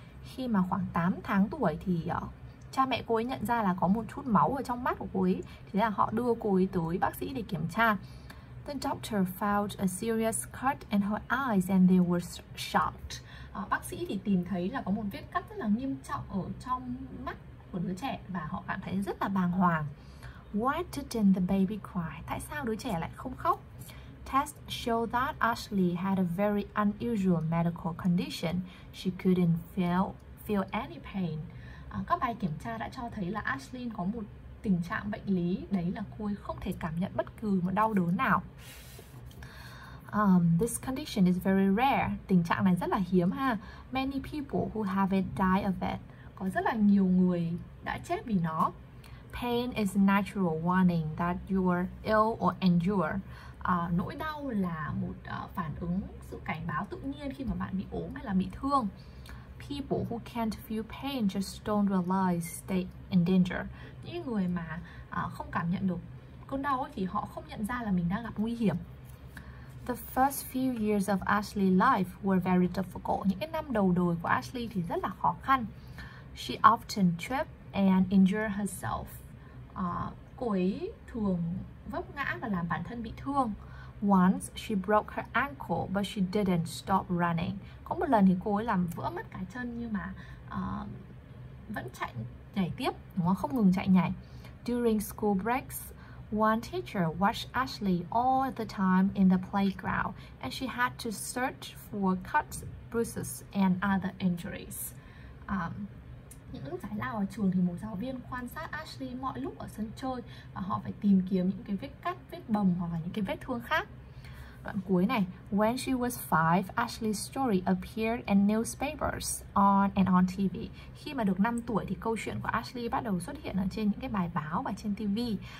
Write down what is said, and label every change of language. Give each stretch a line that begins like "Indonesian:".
Vietnamese: Khi mà khoảng 8 tháng tuổi thì cha mẹ cô ấy nhận ra là có một chút máu ở trong mắt của cô ấy, thế là họ đưa cô ấy tới bác sĩ để kiểm tra.
English: The doctor found a serious cut in her eyes and they were shocked.
Vietnamese: Bác sĩ thì tìm thấy là có một vết cắt rất là nghiêm trọng ở trong mắt của đứa trẻ và họ cảm thấy rất là bàng hoàng.
English: Why didn't the baby cry?
Vietnamese: Tại sao đứa trẻ lại không khóc?
English: Tests show that Ashley had a very unusual medical condition. She couldn't feel any pain.
Vietnamese: Các bài kiểm tra đã cho thấy là Ashley có một tình trạng bệnh lý, đấy là cô ấy không thể cảm nhận bất cứ một đau đớn nào.
English: This condition is very rare.
Vietnamese: Tình trạng này rất là hiếm ha.
English: Many people who have it die of it.
Vietnamese: Có rất là nhiều người đã chết vì nó.
English: Pain is a natural warning that you're ill or endure.
Vietnamese: Nỗi đau là một phản ứng, sự cảnh báo tự nhiên khi mà bạn bị ốm hay là bị thương.
English: People who can't feel pain just don't realize they're in danger.
Vietnamese: Những người mà không cảm nhận được cơn đau ấy, thì họ không nhận ra là mình đang gặp nguy hiểm.
English: The first few years of Ashley's life were very difficult.
Vietnamese: Những cái năm đầu đời của Ashley thì rất là khó khăn.
English: She often tripped and injure herself.
Vietnamese: Cô ấy thường vấp ngã và làm bản thân bị thương.
English: Once she broke her ankle, but she didn't stop running.
Vietnamese: Có một lần thì cô ấy làm vỡ mất cả chân nhưng mà vẫn chạy nhảy tiếp, đúng không? Không ngừng chạy nhảy.
English: During school breaks, one teacher watched Ashley all the time in the playground, and she had to search for cuts, bruises, and other injuries.
Vietnamese: Những lúc giải lao ở trường thì một giáo viên quan sát Ashley mọi lúc ở sân chơi và họ phải tìm kiếm những cái vết cắt, vết bầm hoặc là những cái vết thương khác. Đoạn cuối này,
English: when she was 5, Ashley's story appeared in newspapers on and on TV.
Vietnamese: Khi mà được 5 tuổi thì câu chuyện của Ashley bắt đầu xuất hiện ở trên những cái bài báo và trên TV.